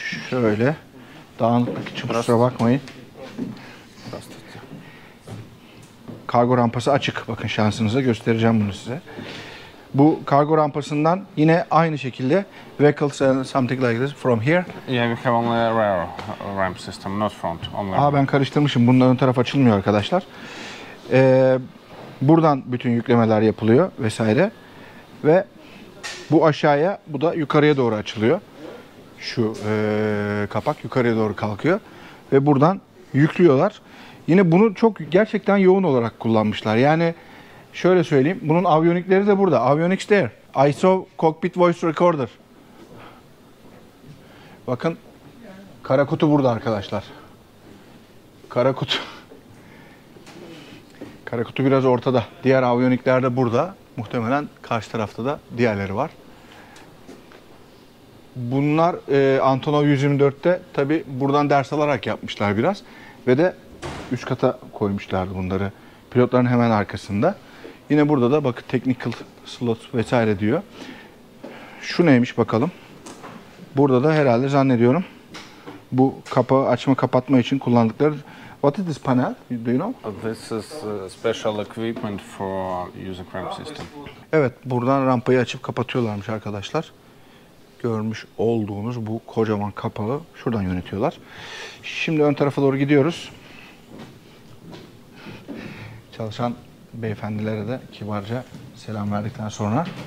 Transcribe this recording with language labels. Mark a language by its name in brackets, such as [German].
[Turkish] Şöyle. Dağınıklık için kusura bakmayın. Kargo rampası açık. Bakın, şansınıza göstereceğim bunu size. Bu kargo rampasından yine aynı şekilde [English] vehicles and something like this from here. Yeah, we have only a rear ramp system, not front. Only. [Turkish] Ben karıştırmışım. Bundan ön taraf açılmıyor arkadaşlar. Buradan bütün yüklemeler yapılıyor vesaire. Ve bu aşağıya, bu da yukarıya doğru açılıyor. Şu kapak yukarıya doğru kalkıyor. Ve buradan yüklüyorlar. Yine bunu çok gerçekten yoğun olarak kullanmışlar. Yani şöyle söyleyeyim, bunun aviyonikleri de burada. [English] Avionics there. I saw cockpit voice recorder. [Turkish] Bakın, kara kutu burada arkadaşlar. Kara kutu. Kara kutu biraz ortada. Diğer avionikler de burada. Muhtemelen karşı tarafta da diğerleri var. Bunlar Antonov 124'te tabi buradan ders alarak yapmışlar biraz. Ve de 3 kata koymuşlardı bunları pilotların hemen arkasında. Yine burada da bakın technical slot vesaire diyor. Şu neymiş bakalım. Burada da herhalde zannediyorum bu kapağı açma kapatma için kullandıkları. [English] What is this panel? Do you know? This is special equipment for using ramp system. [Turkish] Evet, buradan rampayı açıp kapatıyorlarmış arkadaşlar. Görmüş olduğunuz bu kocaman kapağı şuradan yönetiyorlar. Şimdi ön tarafa doğru gidiyoruz. Çalışan beyefendilere de kibarca selam verdikten sonra.